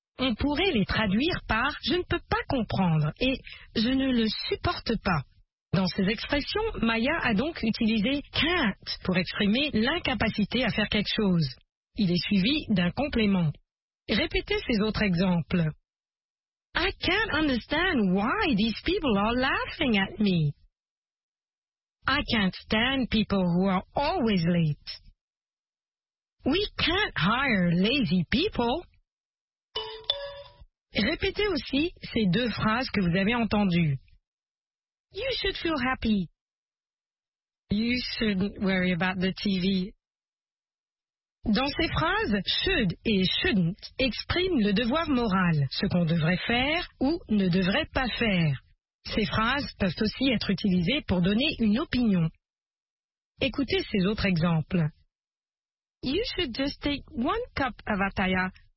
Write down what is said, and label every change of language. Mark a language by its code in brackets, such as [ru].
[fr] On pourrait les traduire par « je ne peux pas comprendre » et « je ne le supporte pas ». Dans ces expressions, Maya a donc utilisé « can't » pour exprimer l'incapacité à faire quelque chose. Il est suivi d'un complément. Répétez ces autres exemples. [en] I can't understand why these people are laughing at me. I can't stand people who are always late. We can't hire lazy people. [fr] Répétez aussi ces deux phrases que vous avez entendues. [en] You should feel happy. You shouldn't worry about the TV. [fr] Dans ces phrases, « should » et « shouldn't » expriment le devoir moral, ce qu'on devrait faire ou ne devrait pas faire. Ces phrases peuvent aussi être utilisées pour donner une opinion. Écoutez ces autres exemples. [en] « You should just take one cup of Ataya.